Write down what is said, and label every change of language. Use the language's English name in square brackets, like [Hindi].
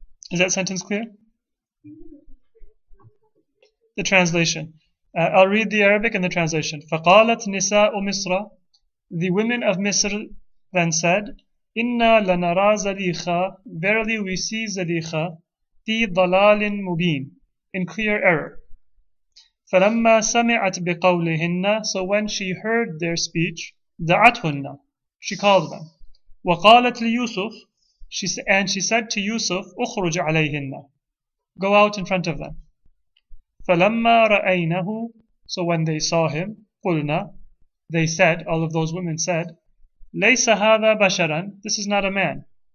[English] Is that sentence clear? The translation. I'll read the Arabic and the translation. [Arabic] فَقَالَتْ نِسَاءُ مِصْرَ. [English] The women of Misr then said, [Arabic] إِنَّا لَنَرَى زَلِيخَ. [English] Verily we see [Arabic] زَلِيخَ فِي ضَلَالٍ مُبِينٍ. [English] In clear error. [Arabic] فَلَمَّا سَمِعَتْ بِقَوْلِهِنَّ. [English] So when she heard their speech, [Arabic] دَعَتْهُنَّ. [English] She called them. [Arabic] وَقَالَتْ لِيُوسُفْ. [English] And she said to Yusuf, [Arabic] اُخْرُجْ عَلَيْهِنَّ. [English] Go out in front of them. [Arabic] فَلَمَّا رَأَيْنَهُ, [English] so when they saw him, [Arabic] قُلْنَا, [English] they said, all of those women said, [Arabic] لَيْسَ هَذَا بَشَرًا, [English] this is not a man.